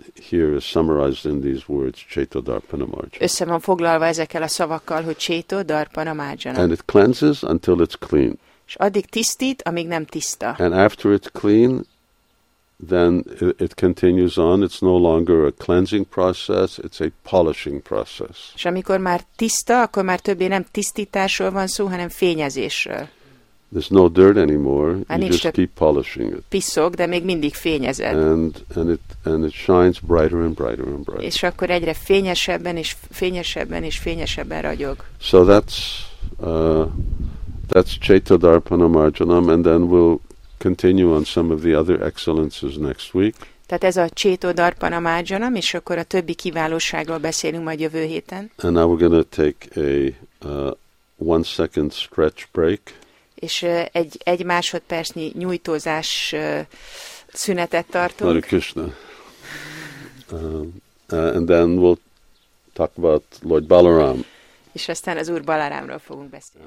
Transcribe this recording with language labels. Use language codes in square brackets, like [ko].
[en] Here is summarized in these words, Chaito Darpanam Arjuna. [hu] Össze van foglalva ezekkel a szavakkal, hogy Chaito Darpanam Arjuna. [en] And it cleanses until it's clean. [hu] És addig tisztít, amíg nem tiszta. [en] And after it's clean, then it continues on. It's no longer a cleansing process, it's a polishing process. [hu] És amikor már tiszta, akkor már többé nem tisztításról van szó, hanem fényezésről. [en] There's no dirt anymore. You just keep polishing it. [hu] Piszok, de még mindig fényezed. [en] And it shines brighter and brighter and brighter. [hu] És akkor egyre fényesebben és fényesebben és fényesebben ragyog. [en] So that's Chaito Darpanam Arjuna, and then we'll continue on some of the other excellences next week. [hu] Tehát ez a Chaito Darpanam Arjuna, és akkor a többi kiválóságról beszélünk majd jövő héten. [en] And now we're going to take a 1 second stretch break. [hu] És egy másodpercnyi nyújtózás szünetet tartunk. [en] Hare Krishna. And then we'll talk about Lord Balaram. [hu] És aztán az Úr Balarámról fogunk beszélni.